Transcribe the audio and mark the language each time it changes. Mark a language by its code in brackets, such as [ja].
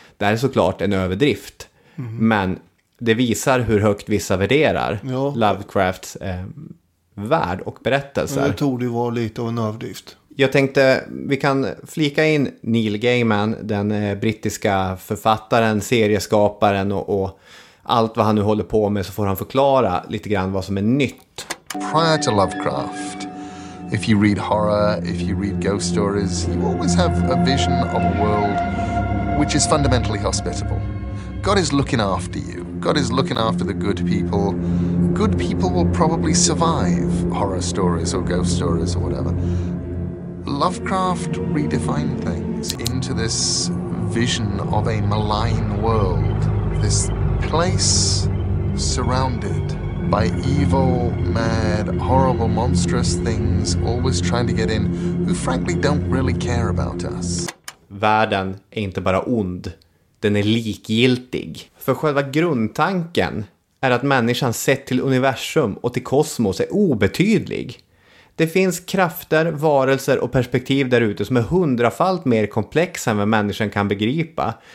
[sv] Det är såklart en överdrift, men det visar hur högt vissa värderar Lovecrafts värld och berättelser. Men det tog det var lite av en överdrift. Jag tänkte, vi kan flika in Neil Gaiman, den brittiska författaren, serieskaparen och allt vad han nu håller på med, så får han förklara lite grann vad som är nytt. [en] Prior to Lovecraft, if you read horror, if you read ghost stories, you always have a vision of a world which is fundamentally hospitable. God is looking after you. God is looking after the good people. Good people will probably survive horror stories or ghost stories or whatever. Lovecraft redefined things into this vision of a malign world, this place surrounded by evil, mad, horrible, monstrous things always trying to get in, who frankly don't really care about us. [sv] Världen är inte bara ond, den är likgiltig. För själva grundtanken är att människan sett till universum och till kosmos är obetydlig. Det finns krafter, varelser och perspektiv där ute som är hundrafalt mer komplexa än vad människan kan begripa.